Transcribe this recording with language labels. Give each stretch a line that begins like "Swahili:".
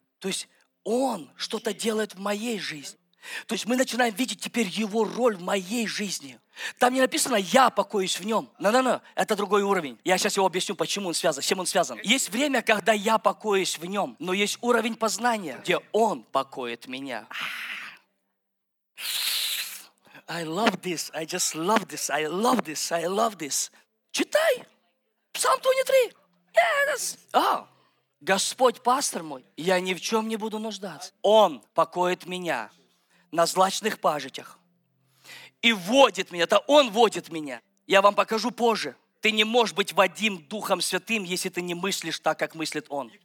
Russian: То есть Он что-то делает в моей жизни. То есть мы начинаем видеть теперь Его роль в моей жизни. Там не написано «Я покоюсь в Нем». Но-но-но, это другой уровень. Я сейчас его объясню, почему он связан, с чем он связан. Есть время, когда я покоюсь в Нем, но есть уровень познания, где Он покоит меня.
English: I love this, I just love this, I love this, I love this.
Russian: Читай! Псалом 23!
English: Yes! Oh.
Russian: Господь пастор мой, я ни в чем не буду нуждаться. Он покоит меня на злачных пажитях и водит меня, это Он водит меня. Я вам покажу позже. Ты не можешь быть водим Духом Святым, если ты не мыслишь так, как мыслит Он.